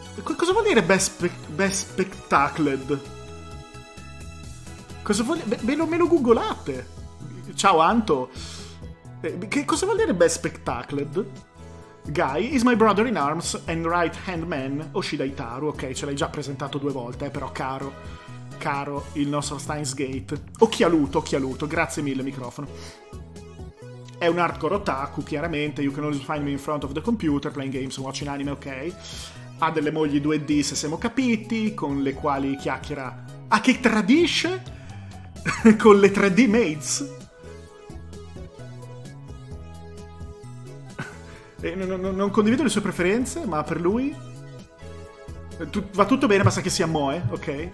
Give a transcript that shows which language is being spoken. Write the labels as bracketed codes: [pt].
[it] Cosa vuol dire bespectacled? Cosa vuol dire? Me lo googolate. Ciao Anto. Che cosa vuol dire bespectacled? [en] Guy is my brother in arms and right hand man. [ja] Oshida Itaru. [it] Ok, ce l'hai già presentato due volte, però caro, caro il nostro Steins Gate. Occhialuto, occhialuto. Grazie mille, microfono. È un hardcore otaku, chiaramente. [en] You can always find me in front of the computer, playing games, watching anime, ok. [it] Ha delle mogli 2D, se siamo capiti, con le quali chiacchiera... Ah, che tradisce? Con le 3D maids? E non condivido le sue preferenze, ma per lui... va tutto bene, basta che sia Moe, ok?